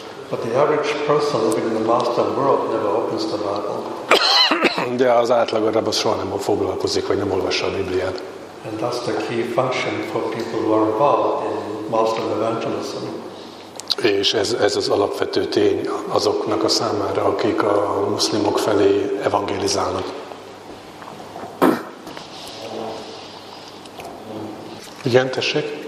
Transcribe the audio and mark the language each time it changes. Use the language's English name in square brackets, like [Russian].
[English] But the average person living in the Muslim world never opens the Bible. [Hungarian] De az átlag arab az soha nem foglalkozik, vagy nem olvassa a Bibliát. [English] And that's the key function for people who are involved in Muslim evangelism. [Hungarian] És ez az alapvető tény azoknak a számára, akik a muszlimok felé evangelizálnak. Igen, tessék?